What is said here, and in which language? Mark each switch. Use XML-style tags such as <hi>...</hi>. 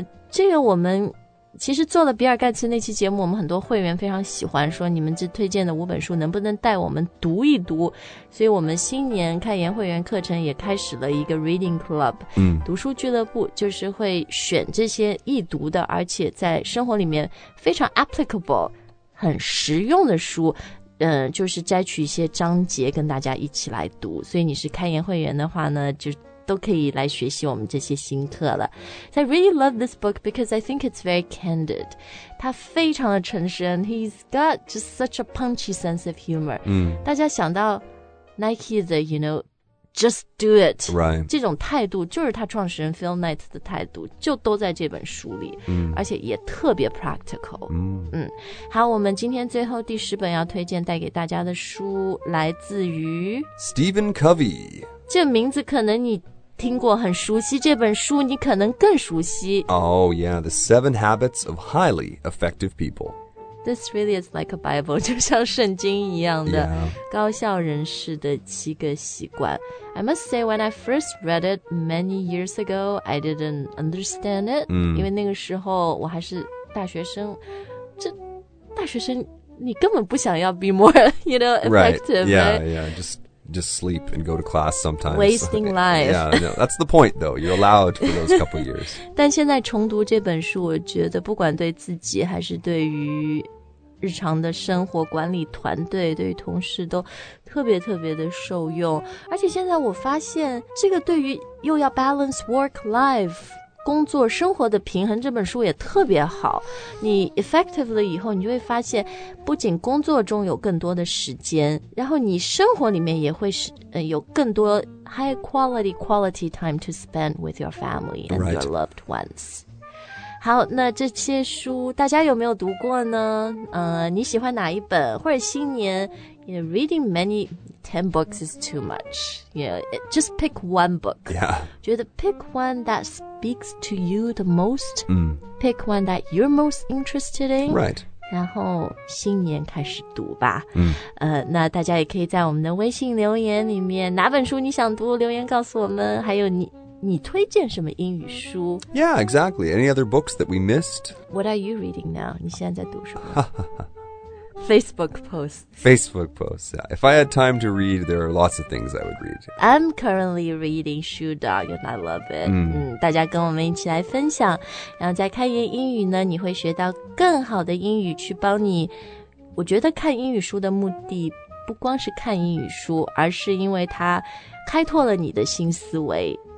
<zh>这个我们其实做了比尔盖茨那期节目，我们很多会员非常喜欢，说你们这推荐的五本书能不能带我们读一读，所以我们新年开研会员课程也开始了一个 reading club、读书俱乐部，就是会选这些易读的而且在生活里面非常 applicable 很实用的书，就是摘取一些章节跟大家一起来读，所以你是开研会员的话呢，就都可以来学习我们这些新课了。</zh> <en>I really love this book because I think it's very candid.</en> <zh>他非常的诚实，</zh> <en>He's got just such a punchy sense of humor.</en> <zh>大家想到</zh> <en>Nike 的 you know, just do it、 right.</en> <zh>这种态度就是他创始人 Phil Knight 的态度，就都在这本书里、而且也特别 practical、好，我们今天最后第十本要推荐带给大家的书来自于</zh> <en>Stephen Covey，</en> <zh>这名字可能你听过，很熟悉，这本书你可能更熟悉。</zh> <en>Oh yeah, The 7 Habits of Highly Effective People. This really is like a Bible,</en> <zh>就像圣经一样的、</zh> <en>yeah.</en> <zh>高效人士的七个习惯。</zh> <en>I must say, when I first read it many years ago, I didn't understand it.、</en> <zh>因为那个时候我还是大学生，这大学生你根本不想要</zh> <en>be more, you know, effective. Right, yeah, just sleep and go to class sometimes. Wasting life. Yeah, no, that's the point though. You're allowed for those couple years.</en> <zh>但现在重读这本书，我觉得不管对自己还是对于日常的生活管理团队，对于同事都特别特别的受用。而且现在我发现这个对于又要 balance work life工作生活的平衡，这本书也特别好。你 effectively 以后，你就会发现，不仅工作中有更多的时间，然后你生活里面也会有更多</zh> <en>high quality time to spend with your family and your loved ones.</en> <zh>好，那这些书大家有没有读过呢？你喜欢哪一本？或者新年</zh> <en>You know, reading many, 10 books is too much. You know, it, just pick one book. Yeah. Do you have to pick one that speaks to you the most? Mm. Pick one that you're most interested in. Right.</en> <zh>然后新年开始读吧、嗯那大家也可以在我们的微信留言里面哪本书你想读留言告诉我们还有 你推荐什么英语书</zh> <en>Yeah, exactly. Any other books that we missed? What are you reading now?</en> <zh>你现在在读什么</zh> <en>Facebook posts. Facebook posts, yeah. If I had time to read, there are lots of things I would read. I'm currently reading Shoe Dog and I love it.</en> <zh>大家跟我们一起来分享。然后在开言英语呢你会学到更好的英语去帮你。我觉得看英语书的目的不光是看英语书而是因为它开拓了你的新思维。</zh>